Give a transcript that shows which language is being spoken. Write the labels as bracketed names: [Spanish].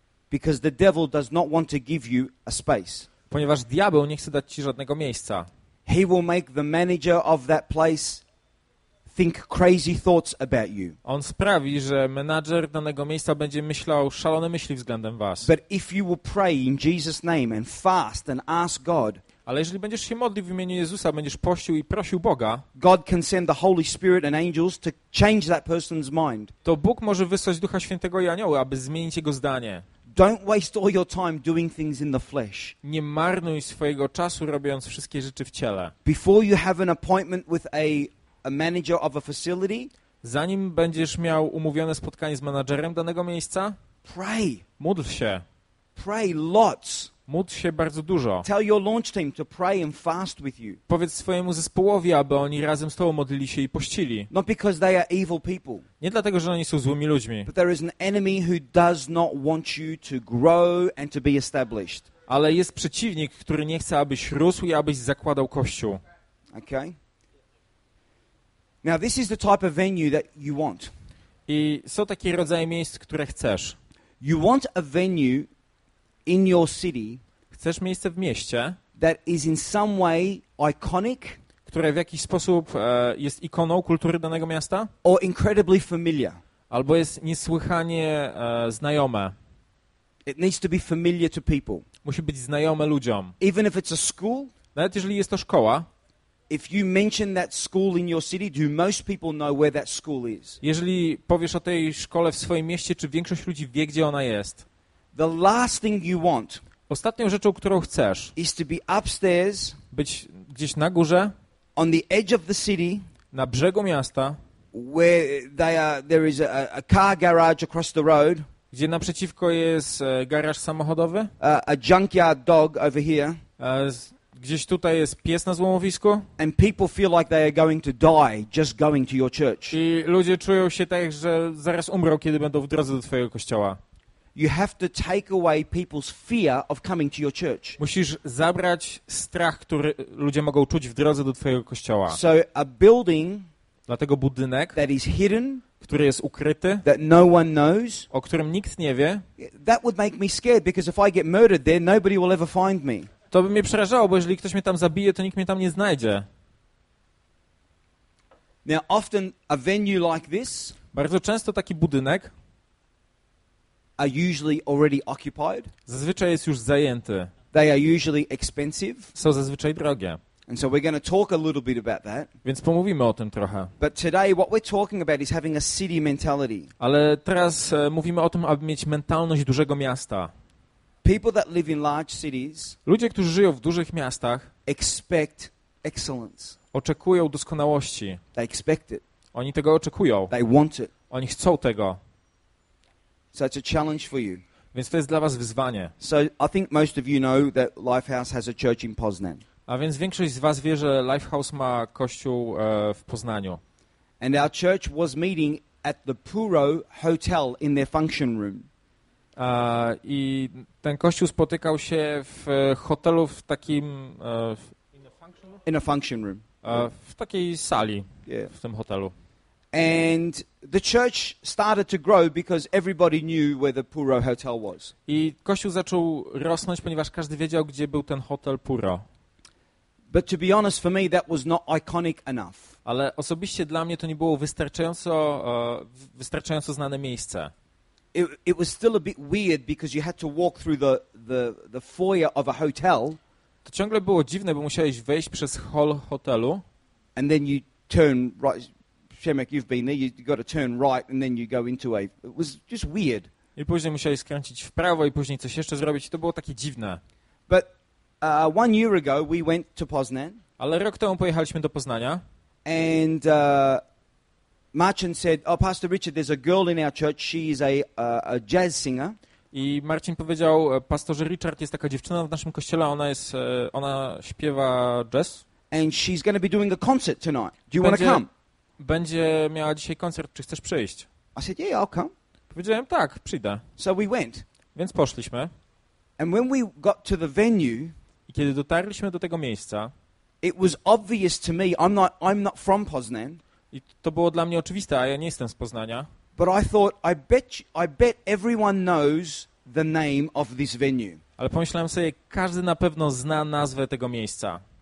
[English] Because the devil does not want to give you a space. [Polish] Ponieważ diabeł nie chce dać ci żadnego miejsca. [English] He will make the manager of that place think crazy thoughts about you. [Polish] On sprawi, że menadżer danego miejsca będzie myślał szalone myśli względem was. [English] But if you will pray in Jesus' name and fast and ask God, [Polish] ale jeżeli będziesz się modlił w imieniu Jezusa, będziesz pościł i prosił Boga, [English] God can send the Holy Spirit and angels to change that person's mind. [Polish] To Bóg może wysłać Ducha Świętego i anioły, aby zmienić jego zdanie. [English] Don't waste all your time doing things in the flesh. [Polish] Nie marnuj swojego czasu robiąc wszystkie rzeczy w ciele. [English] Before you have an appointment with a manager of a facility, [Polish] zanim będziesz miał umówione spotkanie z menadżerem danego miejsca, [English] pray. [Polish] Módl się. [English] Pray lots. [Polish] Módl się bardzo dużo. [English] Tell your launch team to pray and fast with you. [Polish] Powiedz swojemu zespołowi, aby oni razem z tobą modlili się i pościli. [English] Not because they are evil people. [Polish] Nie dlatego, że oni są złymi ludźmi. [English] But there is an enemy who does not want you to grow and to be established. [Polish] Ale jest przeciwnik, który nie chce, abyś rósł i abyś zakładał kościół. [English] Okay. Now this is the type of venue that you want. [Polish] I są takie rodzaje miejsc, które chcesz. [English] You want a venue in your city, [Polish] chcesz miejsce w mieście, [English] that is in some way iconic, [Polish] które w jakiś sposób jest ikoną kultury danego miasta, [English] or incredibly familiar. [Polish] Albo jest niesłychanie znajome. [English] It needs to be familiar to people. [Polish] Musi być znajome ludziom. [English] Even if it's a school, [Polish] nawet jeżeli jest to szkoła, [English] if you mention that school in your city, do most people know where that school is? [Polish] Jeżeli powiesz o tej szkole w swoim mieście, czy większość ludzi wie, gdzie ona jest? [English] The last thing you want. [Polish] Ostatnią rzeczą, którą chcesz, [English] is to be upstairs, [Polish] być gdzieś na górze, [English] on the edge of the city, [Polish] na brzegu miasta, [English] where they are, there is a car garage across the road, [Polish] gdzie naprzeciwko jest garaż samochodowy, [English] a junkyard dog over here, [Polish] gdzieś tutaj jest pies na złomowisku, [English] and people feel like they are going to die just going to your church. [Polish] I ludzie czują się tak, że zaraz umrą, kiedy będą w drodze do twojego kościoła. [English] You have to take away people's fear of coming to your church. [Polish] Musisz zabrać strach, który ludzie mogą czuć w drodze do twojego kościoła. [English] So a building, [Polish] dlatego budynek, [English] that is hidden, [Polish] który jest ukryty, [English] that no one knows, [Polish] o którym nikt nie wie, [English] that would make me scared, because if I get murdered there, nobody will ever find me. [Polish] To by mnie przerażało, bo jeżeli ktoś mnie tam zabije, to nikt mnie tam nie znajdzie. [English] Now often a venue like this, [Polish] bardzo często taki budynek, [English] are usually already occupied. [Polish] Zazwyczaj jest już zajęty. [English] They are usually expensive. [Polish] Są zazwyczaj drogie. [English] And so we're going to talk a little bit about that. [Polish] Więc pomówimy o tym trochę. [English] But today what we're talking about is having a city mentality. [Polish] Ale teraz mówimy o tym, aby mieć mentalność dużego miasta. [English] People that live in large cities, [Polish] ludzie, którzy żyją w dużych miastach, [English] expect excellence. [Polish] Oczekują doskonałości. [English] They expect it. [Polish] Oni tego oczekują. [English] They want it. [Polish] Oni chcą tego. [English] So it's a challenge for you. [Polish] Więc to jest dla was wyzwanie. [English] So I think most of you know that Lifehouse has a church in Poznań. [Polish] A więc większość z was wie, że Lifehouse ma kościół w Poznaniu. [English] And our church was meeting at the Puro Hotel in their function room. [Polish] I ten kościół spotykał się w hotelu w takim [English] in a function room. [Polish] W takiej sali, [English] yeah. [Polish] W tym hotelu. [English] And the church started to grow because everybody knew where the Puro Hotel was. [Polish] I kościół zaczął rosnąć, ponieważ każdy wiedział, gdzie był ten hotel Puro. [English] But to be honest, for me that was not iconic enough. [Polish] Ale osobiście dla mnie to nie było wystarczająco znane miejsce. [English] It was still a bit weird because you had to walk through the foyer of a hotel. [Polish] To ciągle było dziwne, bo musiałeś wejść przez hall hotelu. [English] And then you turn right. Przemek, you've been there, you've got to turn right and then you go into a... It was just weird. [Polish] I później musiałeś skręcić w prawo i później coś jeszcze zrobić. To było takie dziwne. [English] But one year ago we went to Poznań. [Polish] Ale rok temu pojechaliśmy do Poznania. [English] And Marcin said, oh, Pastor Richard, there's a girl in our church, she is a jazz singer. [Polish] I Marcin powiedział, pastorze Richard, jest taka dziewczyna w naszym kościele, ona śpiewa jazz. [English] And she's going to be doing a concert tonight. Do you want to come? [Polish] Będzie miała dzisiaj koncert, czy chcesz przyjść? [English] I said, yeah, I'll come. [Polish] Powiedziałem, tak, przyjdę. [English] So we went. [Polish] Więc poszliśmy. [English] And when we got to the venue, [Polish] i kiedy dotarliśmy do tego miejsca, [English] it was obvious to me, I'm not from Poznań. [Polish] I to było dla mnie oczywiste, a ja nie jestem z Poznania. [English] But I thought, I bet everyone knows the name of this venue. [Polish] Ale pomyślałem sobie, każdy na pewno zna nazwę tego miejsca.